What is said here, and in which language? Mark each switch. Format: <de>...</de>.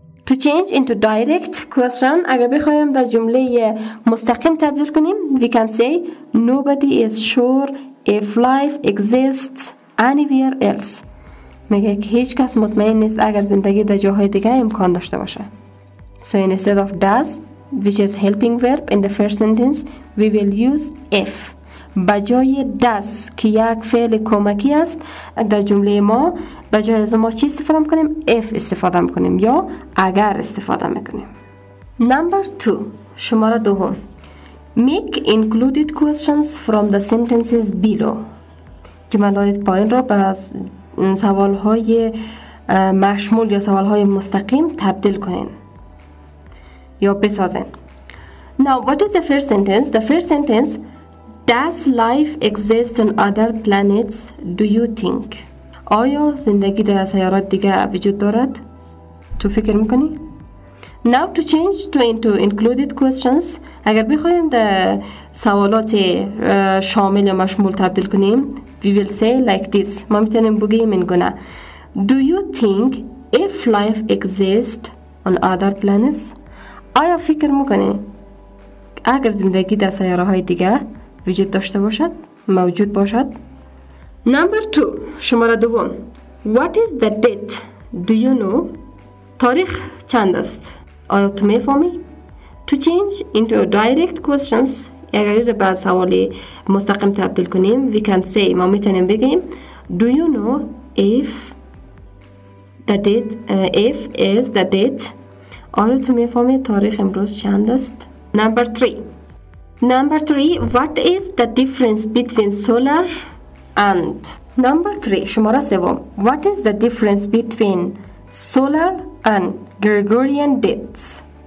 <en>To change into direct question,</en> <fa>اگر بخوایم در جمله مستقیم تبدیل کنیم,</fa> <en>we can say nobody is sure if life exists anywhere else.</en> <fa>میگه که هیچ کس مطمئن نیست اگر زندگی در جاهای دیگه امکان داشته باشه.</fa> <en>So instead of does, which is helping verb in the first sentence, we will use if.</en> <fa>بجای does که یک فعل کمکی است در جمله ما, بجای از ما چی استفاده میکنیم؟ if استفاده میکنیم یا اگر استفاده میکنیم.</fa> <en>Number 2,</en> <fa>شماره دوم.</fa> <en>Make included questions from the sentences below.</en> <fa>که ملاید پایین را از سوالهای مشمول یا سوالهای مستقیم تبدیل کنین یا بسازن.</fa> <en>Now what is the first sentence? The first sentence, does life exist on other planets, do you think?</en> <fa>آیا زندگی در سیارات دیگه وجود دارد؟ تو فکر میکنی؟</fa> <en>Now to change to into included questions,</en> <fa>اگر بخوایم در سوالات شامل یا مشمول تبدیل کنیم,</fa> <en>we will say like this.</en> <fa>ما میتونیم بگیم این گونه.</fa> <en>Do you think if life exists on other planets?</en> <fa>آیا فکر میکنی اگر زندگی در سیاره های دیگه وجود داشته باشد, موجود باشد؟</fa> <en>Number 2,</en> <fa>شماره دوم.</fa> <en>What is the date? Do you know?</en> <fa>تاریخ چند است؟ آیا تو میفهمی؟</fa> <en>To change into direct questions,</en> <fa>اگر این به سوال مستقیم تبدیل کنیم,</fa> <en>we can say,</en> <fa>ما میتونیم بگیم,</fa> <en>Do you know if the date, if is the date?</en> <fa>آیا تو میفهمی تاریخ امروز چند است؟</fa> <en>Number 3. Number 3, what is the difference between solar and? Number 3,</en> <fa>شماره سوم.</fa> <en>What is the difference between solar and Gregorian dates?</en>